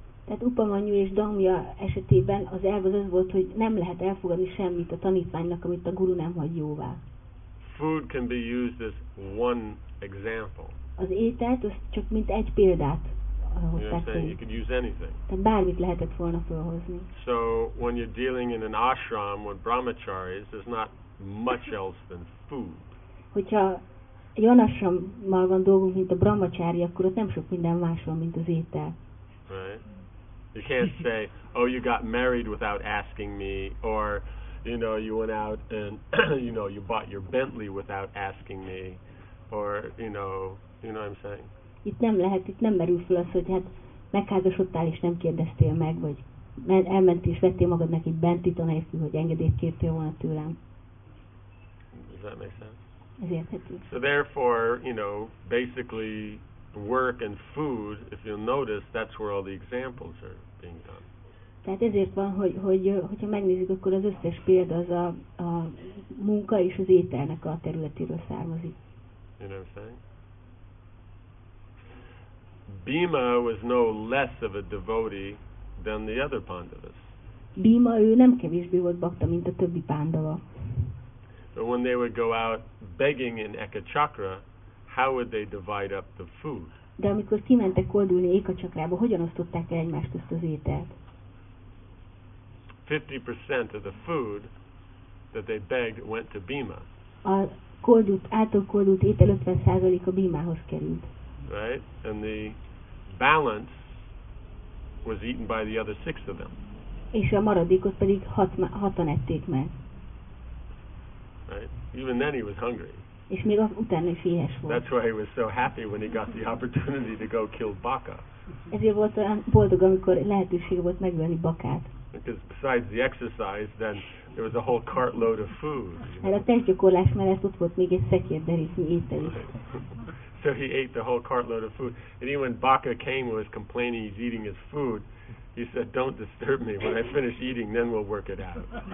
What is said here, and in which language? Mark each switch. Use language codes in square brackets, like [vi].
[hu] Tehát Upamanyu és Domja esetében az elv az volt, hogy nem lehet elfogadni semmit a tanítványnak, amit a guru nem hagy jóvá. [en] Food can be used as one example. [hu] Az ételt, az csak mint egy példát. [en] You could use anything. [hu] Tehát bármit lehetett volna felhozni. [en] So when you're dealing in an ashram with brahmacharis, there's not much else than food. [hu] Hogyha egy olyan ashrammal van dolgunk, mint a brahmacharya, akkor ott nem sok minden más van, mint az étel. [en] Right? You can't say, oh, you got married without asking me, or you know, you went out and you know, you bought your Bentley without asking me, or you know what I'm saying? [hu] Itt nem lehet, itt nem merül fel az, hogy hát megházasodtál és nem kérdeztél meg, vagy elmentél és vettél magadnak egy benti tanácsot, hogy engedélyt kértél volna tőlem. [en] Does that make sense? [hu] Ez érthető. [en] So therefore, you know, basically work and food, if you'll notice, that's where all the examples are being done. [hu] Tehát ezért van, hogyha megnézzük, akkor az összes példa az a munka és az ételnek a területéről származik. [en] You know what I'm saying? Bhima was no less of a devotee than the other Pandavas. [hu] Bhima, ő nem kevésbé volt bhakta, mint a többi Pandava. [en] So when they would go out begging in Ekachakra, how would they divide up the food? [hu] De amikor kimentek koldulni Ekachakrába, hogyan osztották el egymást ezt az ételt? [en] 50% of the food that they begged went to Bhima. [hu] A koldult, által koldult étel 50%-a Bhimához került. [en] Right? And the balance was eaten by the other six of them. [hu] És a maradékot pedig hatan ették meg. [en] Right? Even then he was hungry. [hu] És még utána is éhes volt. [en] That's why he was so happy when he got the opportunity to go kill Baka. [hu] Ezért volt olyan boldog, amikor lehetősége volt megölni Bakát. [en] Because besides the exercise, then there was a whole cartload of food. [hu] Mert a testgyakorlás mellett ott volt még egy szekérderítmi étel is. [en] So he ate the whole cartload of food. And even when Baka came and was complaining he's eating his food, he said, don't disturb me. When I finish eating, then we'll work it out.